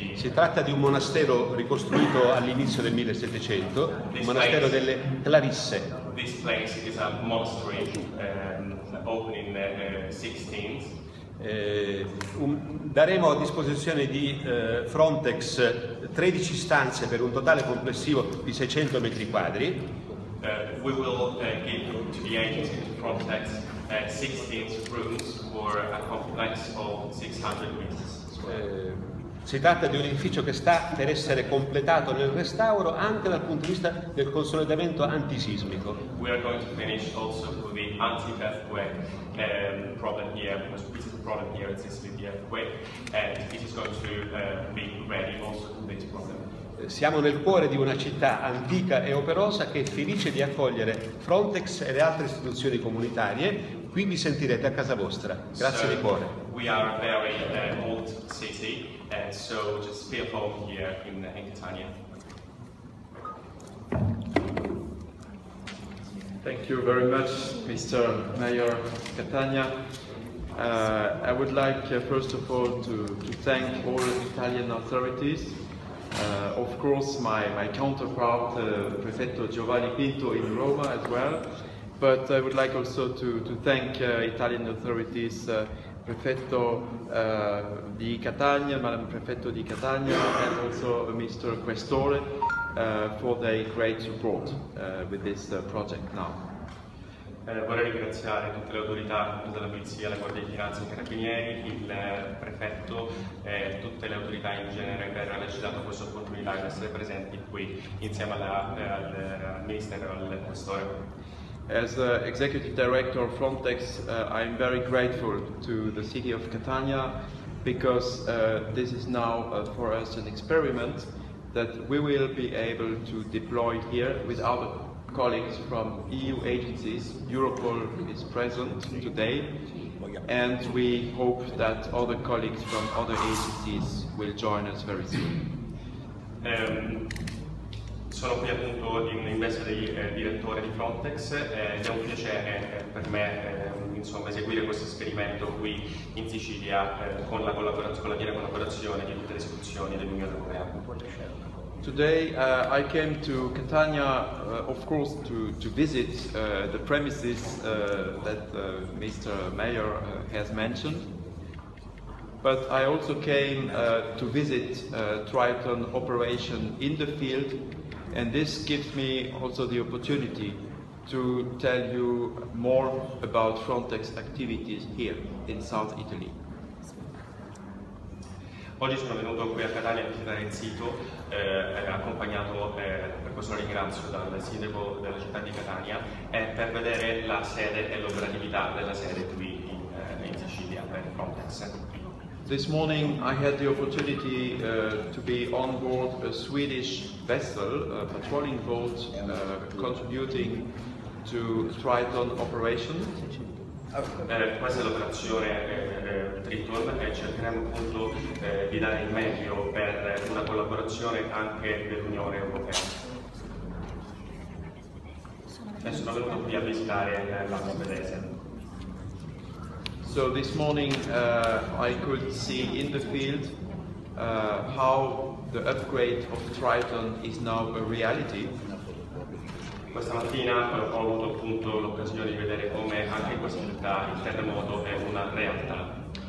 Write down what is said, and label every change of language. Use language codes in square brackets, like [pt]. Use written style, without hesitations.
[it] Si tratta di un monastero ricostruito all'inizio del 1700, il monastero delle Clarisse. [en] This place is a monastery opened in the 16th. [it] Daremo a disposizione di Frontex 13 stanze per un totale complessivo di 600 metri quadri. [en] We will give to the agency Frontex 16 rooms for a complex of 600 meters. [it] Si tratta di un edificio che sta per essere completato nel restauro anche dal punto di vista del consolidamento antisismico. [en] We are going to finish also for the anti-earthquake problem here, because this is a problem here, it's the earthquake, and it is going to be ready also for this problem. [it] Siamo nel cuore di una città antica e operosa che è felice di accogliere Frontex e le altre istituzioni comunitarie. Qui vi sentirete a casa vostra. Grazie di cuore. [en] We are a very old city, so just feel home here in Catania. Thank you very much, Mr. Mayor Catania. I would like first of all to thank all Italian authorities. Of course, my counterpart, Prefetto Giovanni Pinto in Roma as well. But I would like also to thank Italian authorities, Prefetto di Catania, Madam Prefetto di Catania, and also Mr. Questore for their great support with this project now. [it] Vorrei ringraziare tutte le autorità, compresa la polizia, la Guardia di Finanza, i Carabinieri, il prefetto e tutte le autorità in genere per averci dato questa opportunità di essere presenti qui insieme al Ministero e al Questore. [en] As Executive Director of Frontex, I am very grateful to the city of Catania because this is now for us an experiment that we will be able to deploy here with our colleagues from EU agencies. Europol is present today, and we hope that other colleagues from other agencies will join us very soon. [it] Sono qui appunto in veste di direttore di Frontex ed è un piacere per me insomma, eseguire questo esperimento qui in Sicilia con la collaborazione, di tutte le istituzioni dell'Unione Europea. [en] Today I came to Catania of course to visit the premises that Mr. Mayor has mentioned, but I also came to visit Triton operation in the field. And this gives me also the opportunity to tell you more about Frontex activities here in South Italy. [it] Oggi sono venuto qui a Catania a visitare il sito, accompagnato, per questo ringrazio, dal sindaco della città di Catania, per vedere la sede e l'operatività della sede qui in Sicilia per Frontex. [en] This morning I had the opportunity to be on board a Swedish vessel, a patrolling boat, contributing to Triton operation. [it] Questa è l'operazione Triton e cercheremo appunto di dare il meglio per una collaborazione anche dell'Unione Europea. E sono venuto qui a visitare la Svezia. [en] So this morning I could see in the field how the upgrade of Triton is now a reality. [it] Questa mattina ho avuto appunto l'occasione di vedere come anche in questa città il terremoto è una realtà.